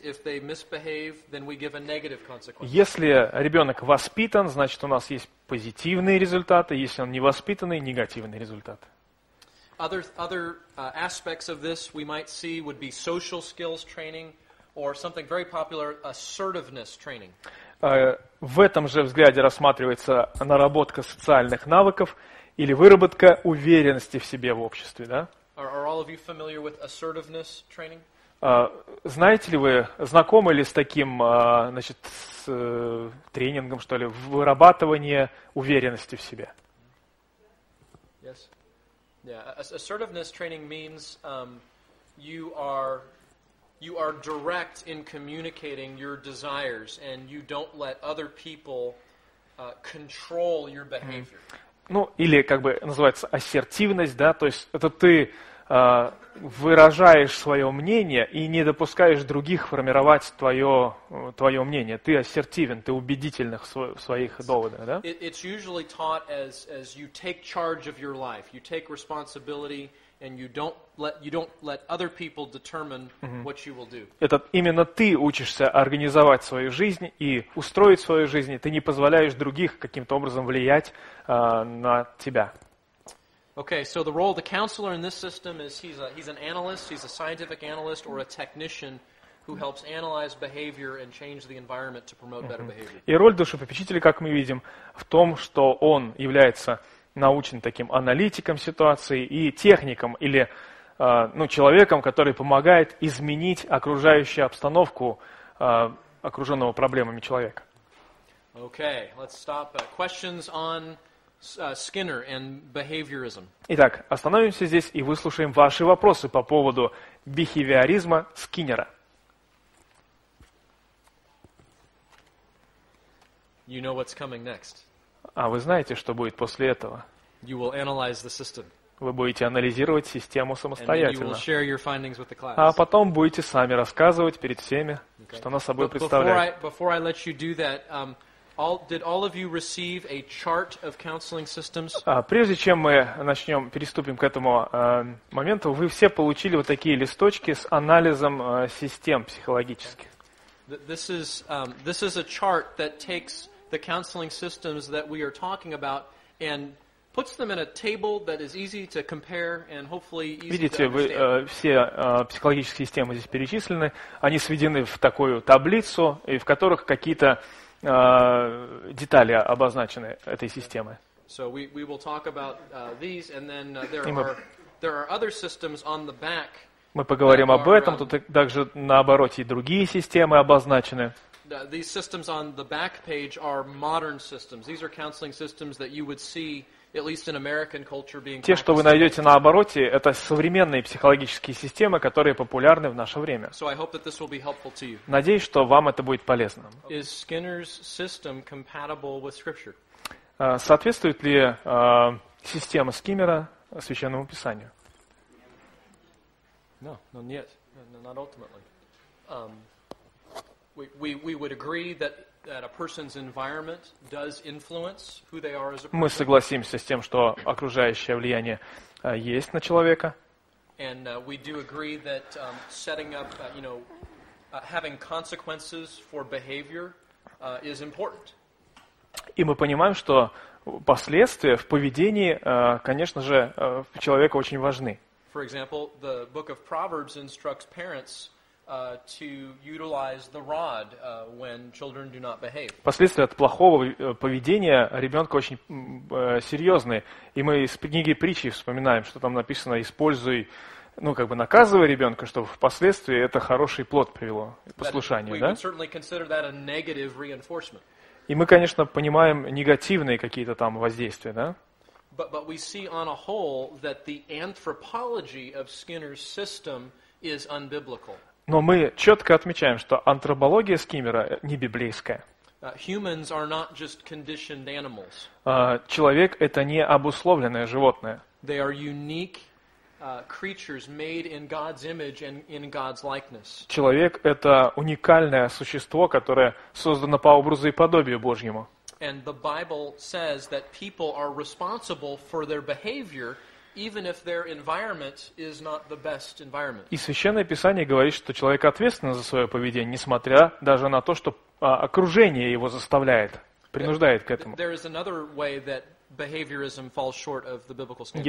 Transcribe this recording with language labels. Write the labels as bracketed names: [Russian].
[English] If they misbehave, then we give a negative consequence. [Russian] Если ребенок воспитан, значит, у нас есть позитивные результаты, если он невоспитанный, негативные результаты. [English] Other aspects of this we might see would be social skills training. Or something very popular, assertiveness training. [Russian] В этом же взгляде рассматривается наработка социальных навыков или выработка уверенности в себе в обществе, да? [English] Are all of you familiar with assertiveness training? [Russian] Знаете ли вы, знакомы ли с таким, значит, с тренингом, что ли, вырабатывание уверенности в себе? [English] Yes. Yeah. Assertiveness training means you are direct in communicating your desires, and you don't let other people control your behavior. [Russian] Ну, или как бы называется ассертивность, да, то есть это ты выражаешь свое мнение и не допускаешь других формировать твое мнение. Ты ассертивен, ты убедительных в своих доводах, да? [English] It's usually taught as you take charge of your life, you take responsibility. And you don't let other people determine what you will do. [Russian] Это именно ты учишься организовать свою жизнь и устроить свою жизнь. Ты не позволяешь других каким-то образом влиять на тебя. [English] Okay, so the role of the counselor in this system is he's an analyst, he's a scientific analyst or a technician who helps analyze behavior and change the environment to promote better behavior. [Russian] И роль душепопечителя, как мы видим, в том, что он является научен таким аналитиком ситуации и техником или ну, человеком, который помогает изменить окружающую обстановку окруженного проблемами человека. [English] Okay, let's stop. Questions on Skinner and behaviorism. [Russian] Итак, остановимся здесь и выслушаем ваши вопросы по поводу бихевиоризма Скиннера. [English] You know what's coming next. [Russian] А вы знаете, что будет после этого? [English] You will analyze the system. [Russian] Вы будете анализировать систему самостоятельно. А потом будете сами рассказывать перед всеми, что она собой представляет. [English] Before I let you do that, did all of you receive a chart of counseling systems? [Russian] Прежде чем мы начнем, переступим к этому моменту, вы все получили вот такие листочки с анализом систем психологических. [English] This is a chart that takes the counseling systems that we are talking about and puts them in a table that is easy to compare and hopefully easy to understand. [Russian] Видите, вы все психологические системы здесь перечислены, они сведены в такую таблицу, и в которых какие-то детали обозначены этой системы. [English] So we will talk about these, and then there are other systems on the back. [Russian] Мы поговорим об этом, тут также наоборот и другие системы обозначены. [English] These systems on the back page are modern systems. These are counseling systems that you would see. At least in American culture, being [Russian] те, что вы найдете на обороте, это современные психологические системы, которые популярны в наше время. [English] So I hope that this will be helpful to you. [Russian] Надеюсь, что вам это будет полезно. [English] Is Skinner's system compatible with Scripture? [Russian] Соответствует ли система Скиннера Священному Писанию? [English] No, not yet, not ultimately. We would agree that. That a person's environment does influence who they are as a person. [Russian] Мы согласимся с тем, что окружающее влияние есть на человека. [English] And we do agree that setting up, you know, having consequences for behavior is important. [Russian] И мы понимаем, что последствия в поведении, конечно же, у человека очень важны. [English] For example, the book of Proverbs instructs parents. To utilize the rod when children do not behave. [Russian] Последствия от плохого поведения ребенка очень серьезные, и мы из книги Притчи вспоминаем, что там написано: используй, ну как бы наказывай ребенка, чтобы впоследствии это хороший плод привело послушание, да? [English] We would certainly consider that a negative reinforcement. [Russian] И мы, конечно, понимаем негативные какие-то там воздействия, да? [English] But we see on a whole that the anthropology of Skinner's system is unbiblical. [Russian] Но мы четко отмечаем, что антропология Скиннера не библейская. Человек – это не обусловленное животное. [English] They are unique creatures made in God's image and in God's likeness. [Russian] Человек – это уникальное существо, которое создано по образу и подобию Божьему. [English] And the Bible says that people are responsible for their behavior. Even if their environment is not the best environment. [Russian] И Священное Писание говорит, что человек ответственен за свое поведение, несмотря даже на то, что окружение его заставляет, принуждает к этому. [English] There is another way that behaviorism falls short of the biblical standard.